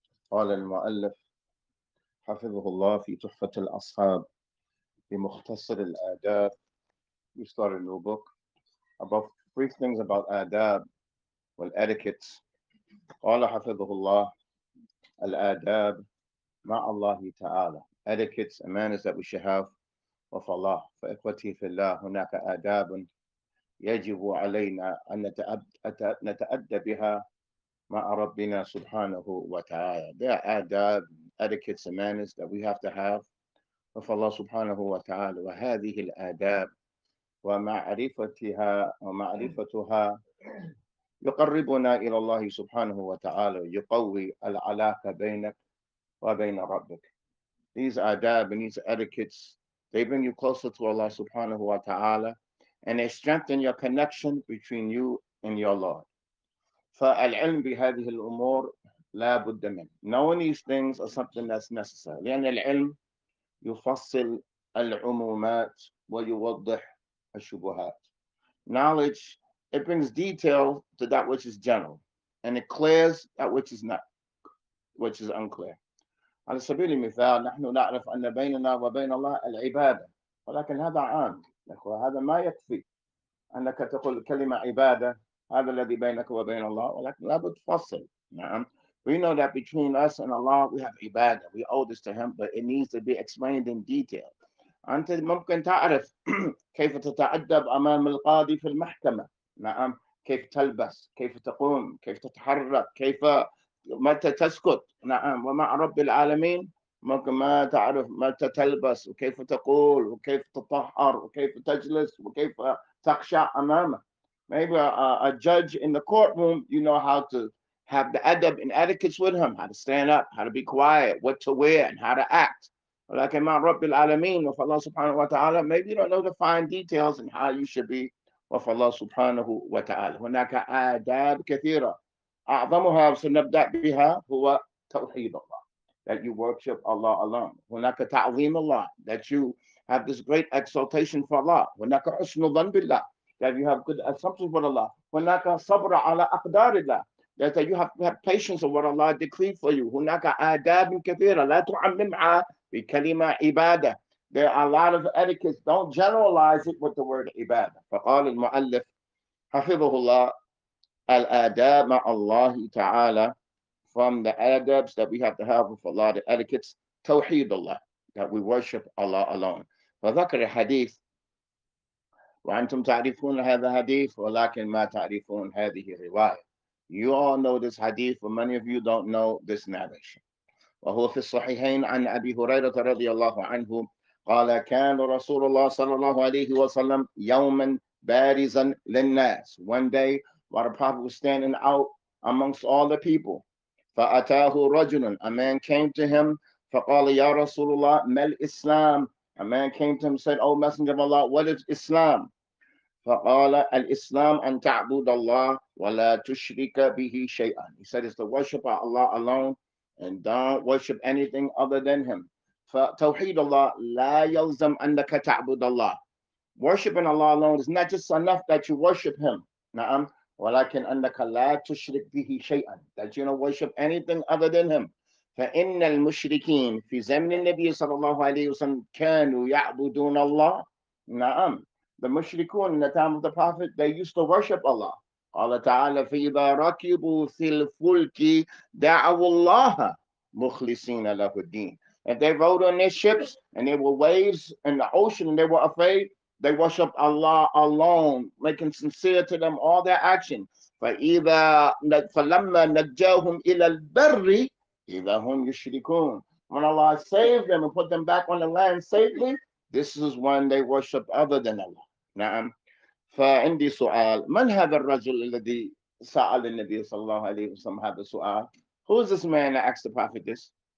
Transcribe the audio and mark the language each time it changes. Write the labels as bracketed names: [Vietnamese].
[Arabic] قال المؤلف حفظه الله في تحفة الأصحاب في مختصر الآداب. [English] We start a new book about three things about [Arabic] آداب والإتيكيت. قال حفظه الله الآداب مع الله تعالى. [English] Etiquettes and manners that we should have with Allah. [Arabic] فإخوتي في الله هناك آداب يجب علينا أن نتأدى بها مع ربنا سبحانه وتعالى. [English] There are adab, etiquettes and manners that we have to have with Allah subhanahu wa ta'ala. [Arabic] وهذه الآداب ومعرفتها ومعرفتها يقربنا إلى الله سبحانه وتعالى ويقوي العلاقة بينك وبين ربك. [English] These adab and these etiquettes, they bring you closer to Allah subhanahu wa ta'ala and they strengthen your connection between you and your Lord. [Arabic] فالعلم بهذه الأمور لا بد منه. [English] Knowing these things are something that's necessary. [Arabic] لأن العلم يفصل العمومات ويوضح الشبهات. [English] Knowledge, it brings detail to that which is general and it clears that which is not, which is unclear. [Arabic] على سبيل المثال نحن نعرف أن بيننا وبين الله العبادة. ولكن هذا عام. هذا ما يكفي أنك تقول كلمة عبادة هذا الذي بينك وبين الله ولكن لابد تفصل. نعم. [English] We know that between us and Allah we have عبادة. We owe this to him but it needs to be explained in detail. [Arabic] أنت ممكن تعرف كيف تتأدب أمام القاضي في المحكمة. نعم. كيف تلبس، كيف تقوم، كيف تتحرك، كيف متى تسكت. نعم. ومع رب العالمين ممكن ما تعرف متى تلبس وكيف تقول وكيف تطهر وكيف تجلس وكيف تخشع أمامه. [English] Maybe a judge in the courtroom, you know how to have the adab and etiquettes with him, how to stand up, how to be quiet, what to wear, and how to act. [Arabic] ولكن مع رب العالمين وفي الله سبحانه وتعالى, [English] maybe you don't know the fine details and how you should be [Arabic] وفي الله سبحانه وتعالى. هناك آداب كثيرة. أعظمها سنبدأ بها هو توحيد الله. [English] That you worship Allah alone. [Arabic] هناك تعظيم الله. [English] That you have this great exaltation for Allah. [Arabic] هناك حسن ظن بالله. [English] That you have good assumptions with Allah. [Arabic] هناك صبر على أقدار الله. [English] That you have patience of what Allah decreed for you. [Arabic] هناك آداب كثيرة. لا تعمم معها بكلمة عبادة. [English] There are a lot of etiquettes. Don't generalize it with the word عبادة. [Arabic] فقال المؤلف حفظه الله الآداب مع الله تعالى. [English] From the adabs that we have to have with Allah, the etiquettes, توحيد الله. That we worship Allah alone. [Arabic] فذكر الحديث وأنتم تعرفون هذا الحديث ولكن ما تعرفون هذه الرواية. [English] You all know this hadith, but many of you don't know this narration. [Arabic] وهو في الصحيحين عن أبي هريرة رضي الله عنه قال كان رسول الله صلى الله عليه وسلم يوما بارزا للناس. [English] One day, while the Prophet was standing out amongst all the people, [Arabic] فأتاه رجل, [English] a man came to him, [Arabic] فقال يا رسول الله ما الإسلام. [English] A man came to him and said, O Messenger of Allah, what is Islam? [Arabic] فَقَالَ الْإِسْلَامُ أَن تَعْبُدَ اللَّهَ وَلَا تُشْرِكَ بِهِ شَيْئًا. [English] He said, it's the worship of Allah alone and don't worship anything other than him. [Arabic] فَتَوْحِيدُ اللَّهِ لَا يَلْزَمْ أَنَّكَ تَعْبُدَ اللَّهَ. [English] Worshiping Allah alone is not just enough that you worship him. [Arabic] نعم. وَلَكِنْ أَنَّكَ لَا تُشْرِكْ بِهِ شَيْئًا. [English] That you don't worship anything other than him. [Arabic] فإن المشركين في زمن النبي صلى الله عليه وسلم كانوا يعبدون الله. [English] نعم. The مشركون in the time of the Prophet, they used to worship Allah. [Arabic] قال تعالى فإذا ركبوا في الفلك دعوا الله مخلصين له الدين. [English] If they rode on their ships and there were waves in the ocean and they were afraid, they worshiped Allah alone, making sincere to them all their action. [Arabic] فإذا فلما نجاهم إلى البر إذا هم يشركون. [English] When Allah saved them and put them back on the land safely, this is when they worship other than Allah. [Arabic] نعم. فعندي سؤال. من هذا الرجل الذي سأل النبي صلى الله عليه وسلم هذا السؤال? [English] Who is this man that asked the Prophet this?